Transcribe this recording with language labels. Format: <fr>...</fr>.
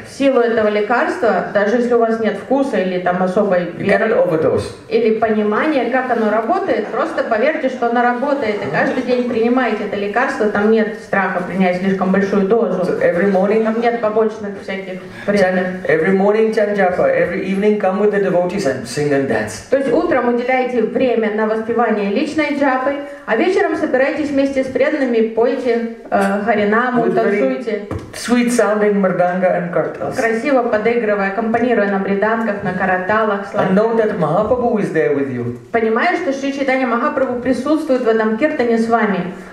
<ru>В силу этого лекарства, даже если у вас нет вкуса или там особой веры, или понимания, как оно работает, просто поверьте, что оно работает. И каждый день принимайте это лекарство, там нет страха принять слишком большую дозу.</ru> <en>So every morning,</en> <ru>там нет побочных всяких вредных.</ru> <en>Every morning chant japa, every evening come with the devotees and sing and dance.</en> <ru>То есть утром уделяйте время на воспевание личной джапы, а вечером собирайтесь вместе с преданными, пойте харинаму, танцуйте.</ru> <en>Sweet sounding мрданга and картас.</en> <ru>Красиво подыгрывая, аккомпанируя на мриданках, на караталах.</ru> <en>And know that Mahaprabhu is there with you.</en> <ru>Понимая, что Шри Чайтанья Махапрабху присутствует в этом киртане с вами.</ru>